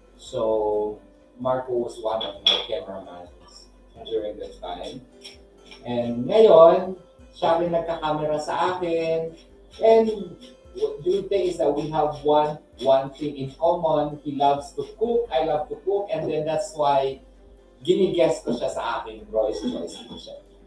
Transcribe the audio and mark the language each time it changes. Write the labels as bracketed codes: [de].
[en] So Marco was one of my cameramans during that time. [tl] And ngayon, siya rin nagka-camera sa akin. [en] And the good thing is that we have one thing in common. He loves to cook, I love to cook, and then that's why [tl] gini-guest ko siya sa akin, [en] Roy's Choice Kitchen.